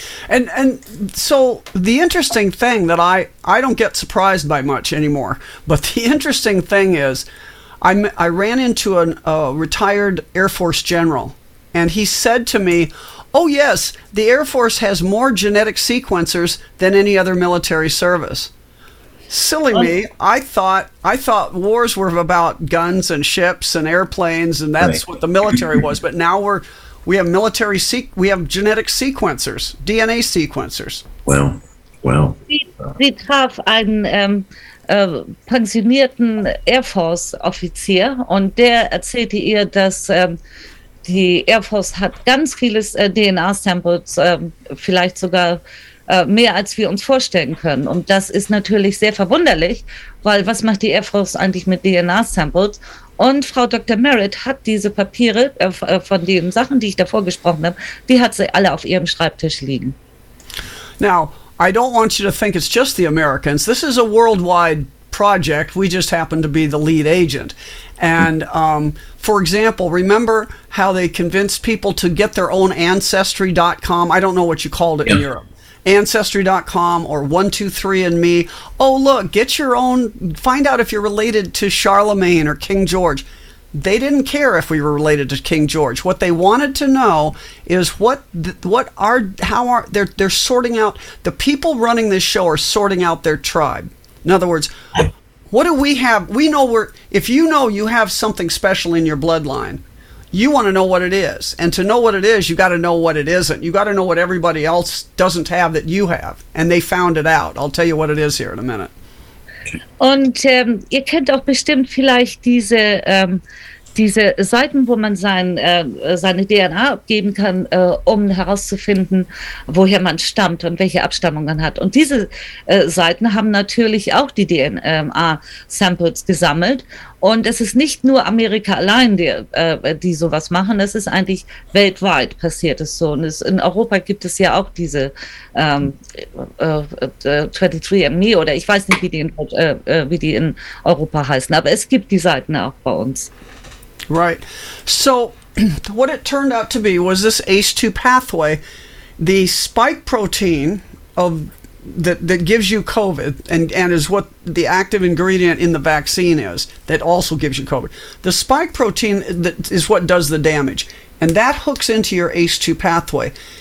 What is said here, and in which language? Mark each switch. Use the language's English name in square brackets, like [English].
[English] And so the interesting thing that I don't get surprised by much anymore, but the interesting thing is, I ran into a retired Air Force general, and he said to me, oh yes, the Air Force has more genetic sequencers than any other military service. Silly me, I thought wars were about guns and ships and airplanes, and that's right. What the military was. But now we have genetic sequencers, DNA sequencers. Well. [German] Sie traf einen pensionierten Air Force Offizier, und der erzählte ihr, dass die Air Force hat ganz viele DNA-Samples, vielleicht sogar mehr als wir uns vorstellen können. Und das ist natürlich sehr verwunderlich, weil was macht die Air Force eigentlich mit DNA-Samples? Und Frau Dr. Merritt hat diese Papiere von den Sachen, die ich davor gesprochen habe, die hat sie alle auf ihrem Schreibtisch liegen. [English] Now, I don't want you to think it's just the Americans. This is a worldwide project. We just happen to be the lead agent. And for example, remember how they convinced people to get their own Ancestry.com? I don't know what you called it in Europe. Ancestry.com or 123andMe. Oh, look, get your own. Find out if you're related to Charlemagne or King George. They didn't care if we were related to King George. What they wanted to know is they're sorting out. The people running this show are sorting out their tribe. In other words, what do we have? We know if you know you have something special in your bloodline, you want to know what it is. And to know what it is, you got to know what it isn't. You got to know what everybody else doesn't have that you have. And they found it out. I'll tell you what it is here in a minute. [German] Und ihr kennt auch bestimmt vielleicht diese Seiten, wo man seine DNA abgeben kann, um herauszufinden, woher man stammt und welche Abstammung man hat. Und diese Seiten haben natürlich auch die DNA-Samples gesammelt. Und es ist nicht nur Amerika allein, die sowas machen. Es ist eigentlich weltweit passiert es so. Und in Europa gibt es ja auch diese 23andMe oder ich weiß nicht, wie die in Europa heißen. Aber es gibt die Seiten auch bei uns. [English] Right. So what it turned out to be was this ACE2 pathway, the spike protein of that gives you COVID and is what the active ingredient in the vaccine is that also gives you COVID. The spike protein that is what does the damage, and that hooks into your ACE2 pathway.